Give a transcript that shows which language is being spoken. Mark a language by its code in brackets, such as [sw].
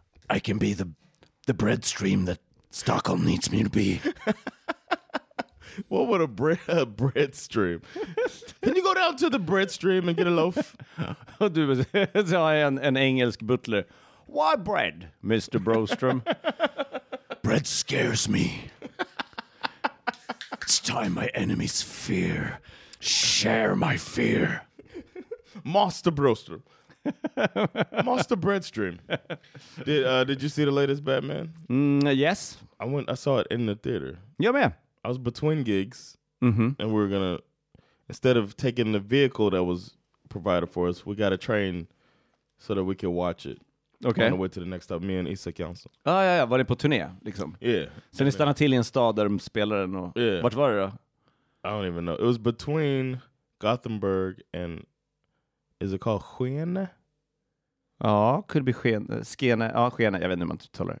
[en] I can be the Broström that Stockholm needs me to be. What would a bread stream? Can you go down to the bread stream and get a loaf? [sv] Du, så har jag en engelsk butler. [en] Why bread, Mr. Broström? Bread scares me. It's time my enemies fear. Share my fear. Master Broström. Master Breadstream. Did you see the latest Batman? Yes. I saw it in the theater. Yeah, man. I was between gigs, mm-hmm. and we were gonna, instead of taking the vehicle that was provided for us, we got a train so that we could watch it. Okay. On the way to the next stop, me and Isak Jansson. [sv] Ah, ja, var ni på turné, liksom? [en] Yeah. [sv] Så ni stannade till i en stad där de spelade den och... [en] Yeah. [sv] Vart var det då? [en] I don't even know. It was between Gothenburg and... Is it called Skene? Ja, could be Skene. Ja, Skene. [sv] Jag vet inte hur man talar.